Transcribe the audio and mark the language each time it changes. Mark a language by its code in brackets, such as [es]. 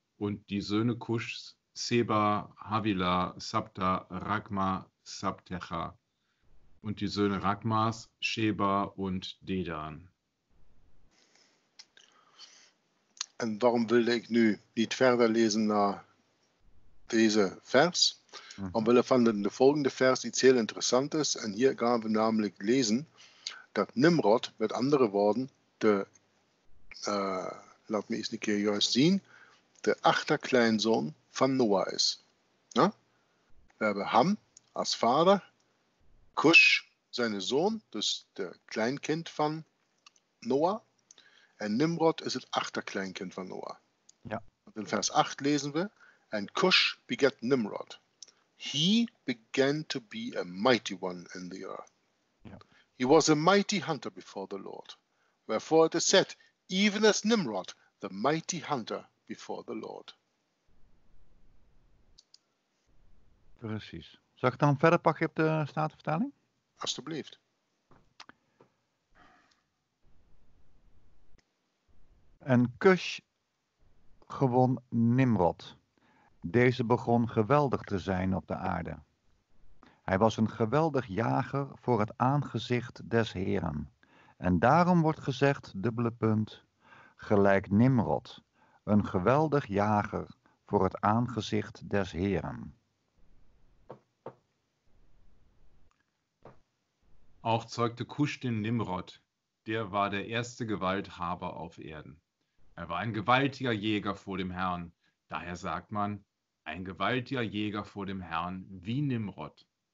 [de] Und die Söhne Kuschs, Seba, Havila, Sabta, Ragma, Sabtecha. Und die Söhne Ragmas, Sheba und Dedan. Und warum will ich nu nicht verder lesen nach diesem Vers? [nl] Omwille van de volgende vers iets heel interessants is. En hier gaan we namelijk lezen dat Nimrod, met andere woorden, de achterkleinzoon van Noah is. Ja? We hebben Ham als vader, Kush zijn zoon, dus de kleinkind van Noah. En Nimrod is het achterkleinkind van Noah. Ja. In vers 8 lezen we, en Kush begat Nimrod. [en] He began to be a mighty one in the earth. Yeah. He was a mighty hunter before the Lord. Wherefore it is said, even as Nimrod, the mighty hunter before the Lord. [nl] Precies. Zal ik dan verder pakken op de Statenvertaling? Alsjeblieft. En Kush gewon Nimrod. Deze begon geweldig te zijn op de aarde. Hij was een geweldig jager voor het aangezicht des Heren. En daarom wordt gezegd, dubbele punt, gelijk Nimrod, een geweldig jager voor het aangezicht des Heren. [de] Auch zeugte Kusch den Nimrod, der war der erste Gewalthaber auf Erden. Er war ein gewaltiger Jäger vor dem Herrn, daher sagt man, ein gewaltiger Jäger vor dem Herrn, wie Nimrod.